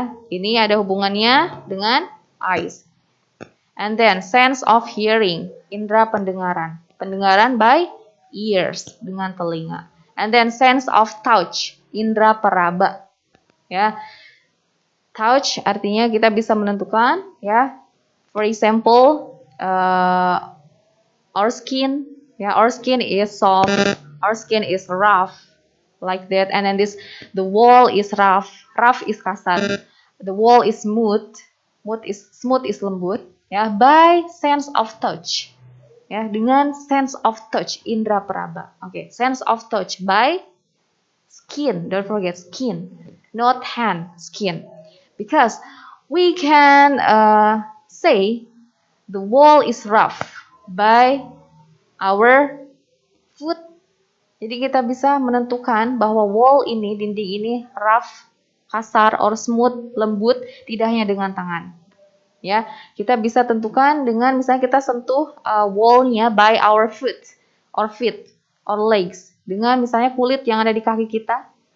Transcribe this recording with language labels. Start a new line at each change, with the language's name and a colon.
Indonesian: Ini ada hubungannya dengan eyes.
English: And then, sense of hearing,
Indonesian: indera pendengaran.
English: Pendengaran by ears,
Indonesian: dengan telinga.
English: And then, sense of touch,
Indonesian: indera peraba. Touch artinya kita bisa menentukan.
English: For example, our skin. Our skin is soft, our skin is rough, like that. And then, this, the wall is rough, rough is kasar. The wall is smooth, smooth is lembut. By sense of touch. Dengan sense of touch,
Indonesian: indera peraba.
English: Okay, sense of touch by skin. Don't forget skin, not hand, skin. Because we can say the wall is rough by our foot.
Indonesian: Jadi kita bisa menentukan bahwa wall ini, dinding ini rough, kasar, or smooth, lembut, tidak hanya dengan tangan. Kita bisa tentukan dengan misalnya kita sentuh wall-nya
English: by our foot or feet or legs
Indonesian: dengan misalnya kulit yang ada di kaki kita.